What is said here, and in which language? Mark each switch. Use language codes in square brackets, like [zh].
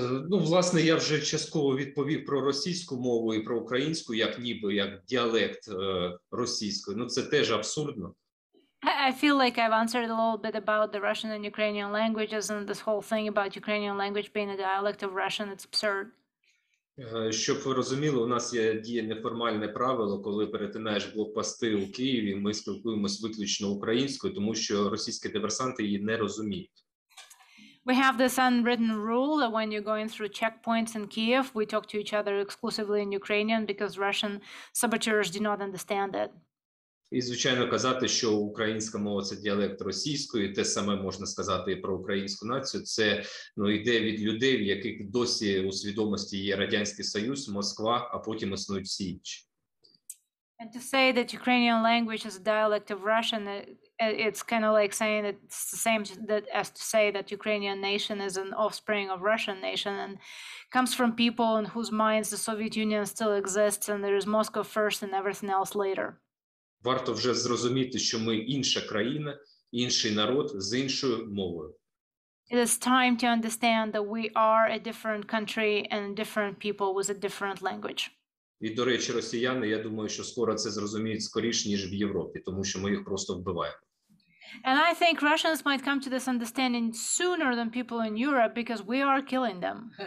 [uk] Ну, власне, я вже частково відповів про російську мову і про українську, як ніби, як діалект російської. Ну, це теж абсурдно. [en] I feel like I've answered a little bit about the Russian and Ukrainian languages and this whole thing about Ukrainian language being a dialect of Russian, it's absurd. [uk] Щоб ви розуміли, у нас є діє неформальне правило, коли перетинаєш блокпости у Києві, ми спілкуємось виключно українською, тому що російські диверсанти її не розуміють. [en] We have this unwritten rule that when you're going through checkpoints in Kyiv, we talk to each other exclusively in Ukrainian because Russian saboteurs do not understand it. [uk] І, звичайно, казати, що українська мова – це діалект російської, те саме можна сказати і про українську націю, це, ну, йде від людей, в яких досі у свідомості є Радянський Союз, Москва, а потім існують всі інші. [en] And to say that Ukrainian language is a dialect of Russian, it's kind of like saying it's the same that as to say that Ukrainian nation is an offspring of Russian nation and comes from people in whose minds the Soviet Union still exists and there is Moscow first and everything else later. [uk] Варто вже зрозуміти, що ми інша країна, інший народ з іншою мовою. [en] It is time to understand that we are a different country and different people with a different language. [uk] І, до речі, росіяни, я думаю, що скоро це зрозуміють скоріш, ніж в Європі, тому що ми їх просто вбиваємо. [en] And I think Russians might come to this understanding sooner than people in Europe, because we are killing them.